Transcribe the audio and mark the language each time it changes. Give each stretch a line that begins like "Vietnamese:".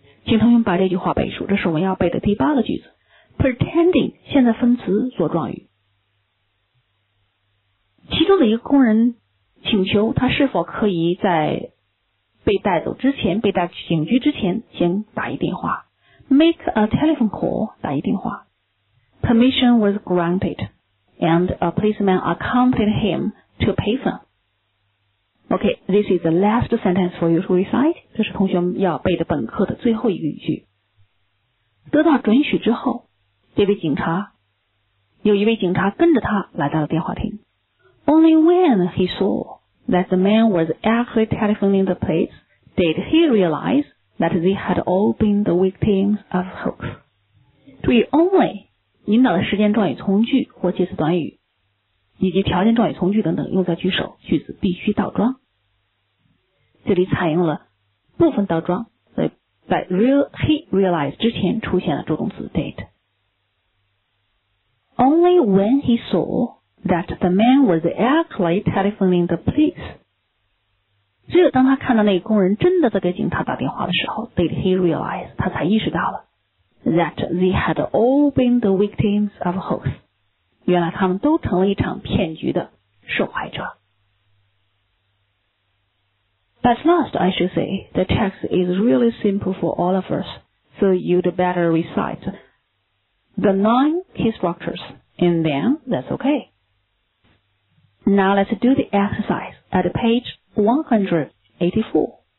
Chinese: 请同学们把这句话背熟，这是我们要背的第八个句子。Pretending, 现在分词做状语。其中的一个工人请求他是否可以在被带走之前，被带去警局之前先打一电话。
English: Make a telephone call,
Chinese: 打一电话。
English: Permission was granted, and a policeman accompanied him to payphone. Okay, this is the last sentence for you to recite.
Chinese: 这是同学们要背的本课的最后一语句。得到准许之后，这位警察，有一位警察跟着他来到了电话亭。
English: Only when he saw that the man was actually telephoning the police, did he realize that they had all been the victims of hoax.
Chinese: 注意 only, 引导的时间状语从句或介词短语以及条件状语从句等等用在句首，句子必须倒装。这里采用了部分倒装，所以在 he realized 之前出现了助动词 did。
English: Only when he saw that the man was actually telephoning the police.
Chinese: 只有当他看到那个工人真的在给警察打电话的时候
English: did he realize,
Chinese: 他才意识到了
English: that they had all been the victims of a hoax.
Chinese: 原来他们都成了一场骗局的受害者。
English: At last, I should say, the text is really simple for all of us, so you'd better recite the 9 key structures, and then that's okay. Now let's do the exercise at page 184.